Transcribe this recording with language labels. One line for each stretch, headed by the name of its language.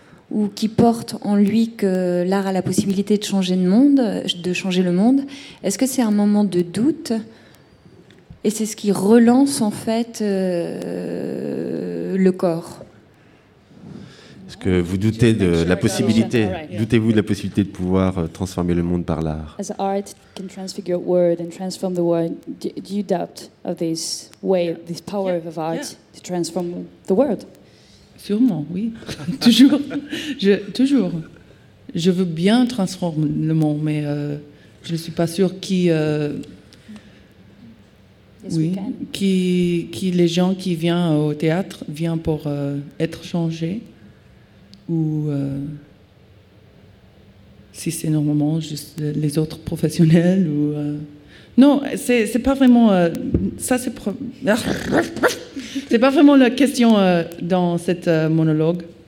French: ou qui porte en lui que l'art a la possibilité de changer le monde, de changer le monde. Est-ce que c'est un moment de doute? Et c'est ce qui relance en fait le corps. Est-ce que vous doutez de la possibilité, doutez-vous de la possibilité de pouvoir transformer le monde par l'art?
English: As art can transfigure world and transform the world, do you doubt of this way, this power of art to transform the world?
French: Sûrement, oui. Toujours. Toujours. Je veux bien transformer le monde, mais je ne suis pas sûre qui. Oui, qui les gens qui viennent au théâtre viennent pour être changés ou si c'est normalement juste les autres professionnels ou non, c'est pas vraiment ça c'est pas vraiment la question dans cette monologue.